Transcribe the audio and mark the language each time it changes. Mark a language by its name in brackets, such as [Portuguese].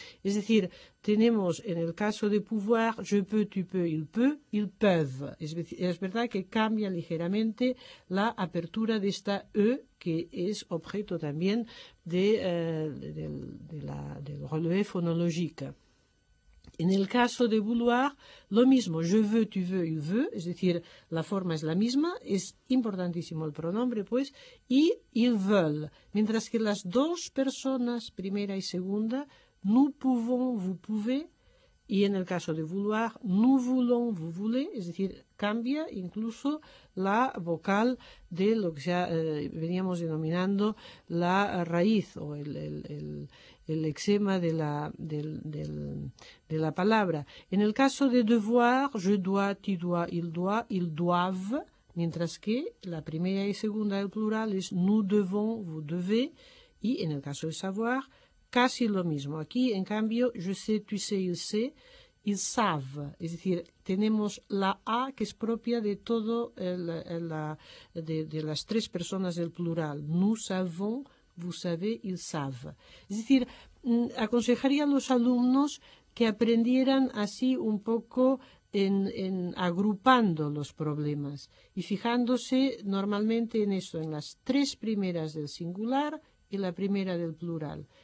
[Spanish] Es decir, tenemos en el caso de pouvoir, [French] je peux, tu peux, il peut, ils peuvent. [Spanish] Es verdad que cambia ligeramente la apertura de esta E, que es objeto también del relevé fonológico. En el caso de vouloir, lo mismo, [French] je veux, tu veux, il veut, [Spanish] es decir, la forma es la misma, es importantísimo el pronombre, pues, y [French] il veut. [Spanish] Mientras que las dos personas, primera y segunda, [French] nous pouvons, vous pouvez, [Spanish] y en el caso de vouloir, [French] nous voulons, vous voulez, [Spanish] es decir, cambia incluso la vocal de lo que veníamos denominando la raíz o el lexema de la palabra. En el caso de devoir, [French] je dois, tu dois, il doit, ils doivent, [Spanish] mientras que la primera y segunda del plural es [French] nous devons, vous devez, [Spanish] y en el caso de savoir, casi lo mismo. Aquí, en cambio, [French] je sais, tu sais, il sait, ils savent. [Spanish] Es decir, tenemos la A que es propia de todo de las tres personas del plural. [French] Nous savons, vous savez, ils savent. [Spanish] Es decir, aconsejaría a los alumnos que aprendieran así un poco en agrupando los problemas y fijándose normalmente en eso, en las tres primeras del singular y la primera del plural.